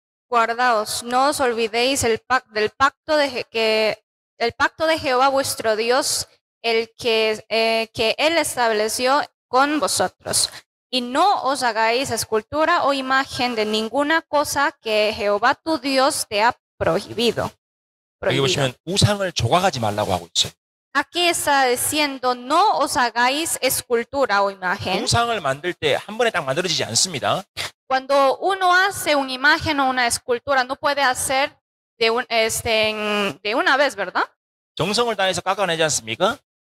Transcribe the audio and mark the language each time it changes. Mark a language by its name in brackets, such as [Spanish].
[Spanish] Guardaos, no os olvidéis el pacto de Jehová vuestro Dios, el que Él estableció con vosotros. Y no os hagáis escultura o imagen de ninguna cosa que Jehová tu Dios te ha prohibido. Prohibido. [Korean] Aquí 보시면, 우상을 조각하지 말라고 하고 있어요. [Spanish] Aquí está diciendo no os hagáis escultura o imagen. [Korean] 우상을 만들 때 한 번에 딱 만들어지지 않습니다. [Spanish] Cuando uno hace una imagen o una escultura no puede hacer de una vez, ¿verdad? [Korean] 정성을 다해서 깎아내지 않습니까?